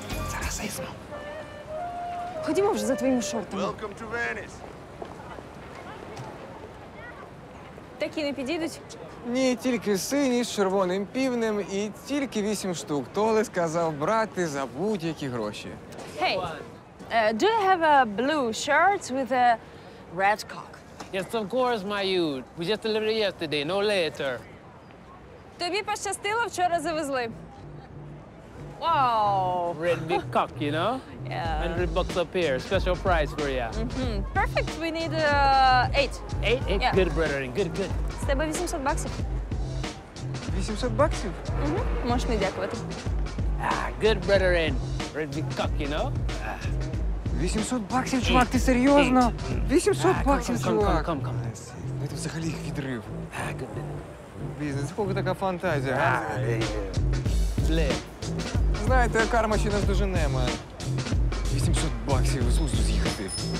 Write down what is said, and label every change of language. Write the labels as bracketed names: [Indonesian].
[Ukrainian] Це расизм. Ходімо вже за твоїми шортами. [English] Welcome to Venice. [Ukrainian] Такі не підійдуть? Ні, тільки сині з червоним півнем і тільки 8 штук. Толи сказав брати за будь-які гроші. [English] Hey, do you have a blue shirt with a red cock? Yes, of course, my youth. We just delivered it yesterday, no later. [Ukrainian] Тобі пощастило, вчора завезли. [English] Wow! Red big cock, you know? Yeah. 100 bucks up here, special price for you. Mm-hmm. Perfect, we need 8. 8? Yeah. Good, brother, good. [Ukrainian] З тебе 800 баксів. 800 баксів? Mm-hmm. Можеш не дякувати. [English] Ah, good, brother, red big cock, you know? [Ukrainian] 800 баксів, чувак, ти серйозно? 800 баксів, чувак. [English] Come. [Ukrainian] Це взагалі їх відрив. [English] Good. [Ukrainian] Бізнес, сколько така фантазія. [English] Yeah. [Ukrainian] Знаєте, карма ще нас дожене, мен. 800 баксів, зусу з'їхати.